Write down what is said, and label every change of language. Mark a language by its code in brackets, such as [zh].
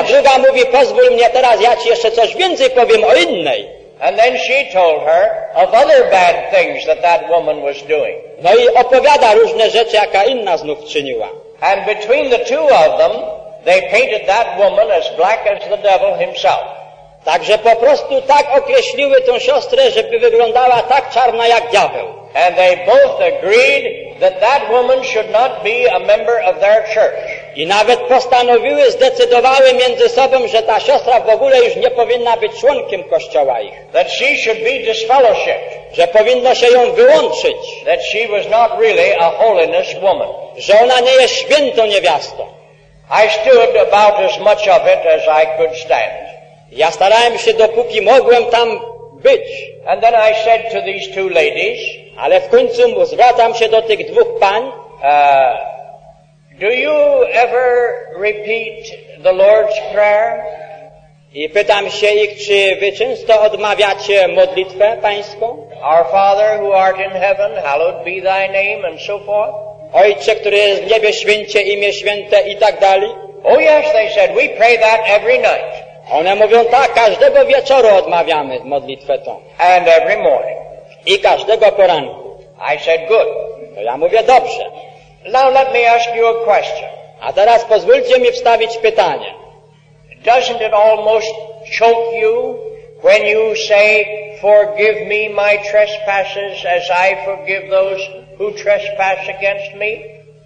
[pl] a druga mówi, pozwól mnie teraz, ja ci jeszcze coś więcej powiem o innej. [en] And then she told her of other bad things that that woman was doing. [pl] No i opowiada różne rzeczy, jaka inna znów czyniła. [en] And between the two of them, they painted that woman as black as the devil himself. [pl] Także po prostu tak określiły tą siostrę, żeby wyglądała tak czarna jak diabeł. [en] And they both agreed that that woman should not be a member of their church. [pl] I nawet postanowiły, zdecydowały między sobą, że ta siostra w ogóle już nie powinna być członkiem kościoła ich. [en] That she should be disfellowshipped. [pl] Że powinno się ją wyłączyć. [en] That she was not really a holiness woman. [pl] Że ona nie jest świętą niewiastą. [en] I stood about as much of it as I could stand. [pl] Ja starałem się, dopóki mogłem tam być. [en] And then I said to these two ladies, [pl] ale w końcu zwracam się do tych dwóch pań. [en] Do you ever repeat the Lord's Prayer? [pl] I pytam się ich, czy wy często odmawiacie modlitwę pańską? [en] Our Father who art in heaven, hallowed be thy name, and so forth. [pl] Ojcze, który jest w niebie, święcie imię święte i tak dalej. [en] Oh yes, they said, we pray that every night. [pl] One mówią tak, każdego wieczoru odmawiamy modlitwę tą. [en] And every morning. [pl] I każdego poranku. [en] I said, good. [pl] To ja mówię, dobrze. [en] Now let me ask you a question. [pl] A teraz pozwólcie mi wstawić pytanie. [en] Doesn't it almost choke you when you say, forgive me my trespasses as I forgive those who trespass against me?